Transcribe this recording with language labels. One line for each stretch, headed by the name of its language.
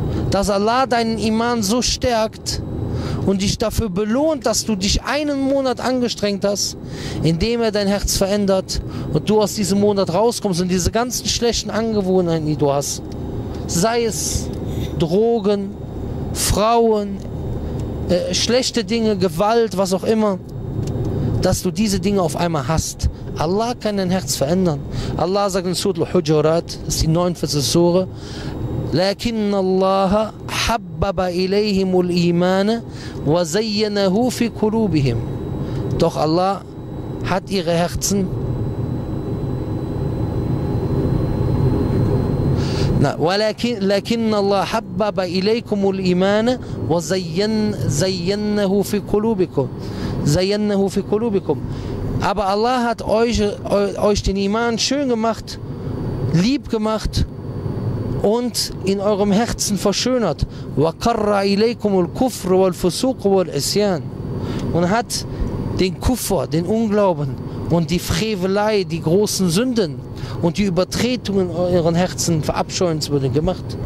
German: dass Allah deinen Iman so stärkt und dich dafür belohnt, dass du dich einen Monat angestrengt hast, indem er dein Herz verändert und du aus diesem Monat rauskommst und diese ganzen schlechten Angewohnheiten, die du hast, sei es Drogen, Frauen, schlechte Dinge, Gewalt, was auch immer, dass du diese Dinge auf einmal hast, Allah kann dein Herz verändern. Allah sagt in Surah Al-Hujurat, das ist die 49.
Arabic: Sure, لكن الله حبب إليهم الإيمان وزينه في قلوبهم.
German: Doch Allah hat ihre Herzen.
Arabic: ولكن الله حبب إليكم الإيمان وزينه في قلوبكم. زينه في قلوبكم.
German: Aber Allah hat euch den Iman schön gemacht, lieb gemacht und in eurem Herzen verschönert.
Arabic: وَقَرَّ إِلَيْكُمُ الْكُفْرُ وَالْفُسُوقُ وَالْعِسْيَانُ.
German: Und hat den Kufr, den Unglauben und die Frevelei, die großen Sünden und die Übertretungen euren Herzen verabscheuenswürdig gemacht.